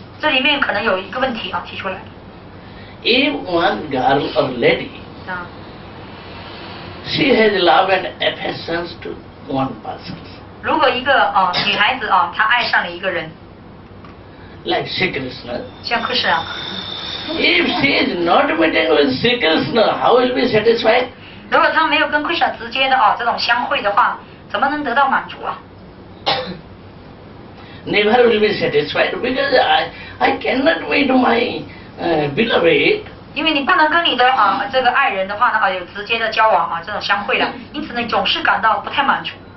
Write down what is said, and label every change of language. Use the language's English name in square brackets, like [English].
[Chinese] 这里面可能有一个问题啊提出来。 [English] If one girl or lady, she has love and affection to one person. [Chinese] 如果一个啊女孩子啊她爱上了一个人 [English] ，like Sri Krishna. [Chinese] 像 Krishna。 [English] If she is not meeting with Sri Krishna, how will be satisfied? [Chinese] 如果他没有跟 Krishna 直接的啊这种相会的话，怎么能得到满足啊 [English] ？Never will be satisfied because I cannot meet my beloved. [Chinese] 因为你不能跟你的啊这个爱人的话呢啊有直接的交往啊这种相会的，因此呢总是感到不太满足。